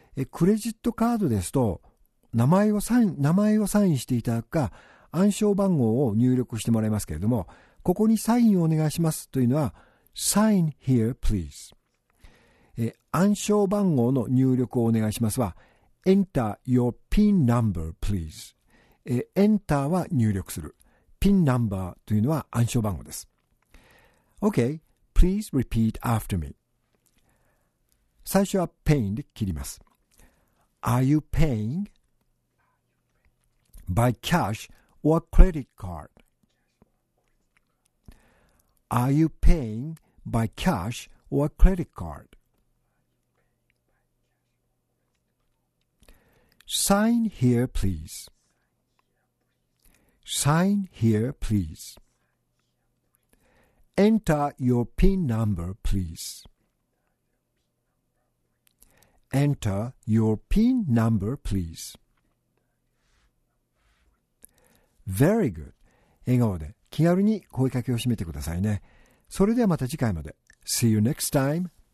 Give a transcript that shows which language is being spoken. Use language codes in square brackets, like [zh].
[ja] クレジットカードですと、名前をサインしていただくか、暗証番号を入力してもらいますけれども、ここにサインをお願いしますというのは、 [en] Sign here, please。 [ja] 暗証番号の入力をお願いしますは、 [en] Enter your PIN number, please。 [ja] Enter は入力する。PIN number というのは暗証番号です。 [en] OK, please repeat after me. [ja] 最初は paying で切ります。 [en] Are you paying by cash or credit card? Are you paying by cash or credit card? Sign here, please. Sign here, please. Enter your PIN number, please. Enter your PIN number, please. Very good. [ja] 笑顔で気軽に声かけを締めてくださいね。それではまた次回まで。 [en] See you next time.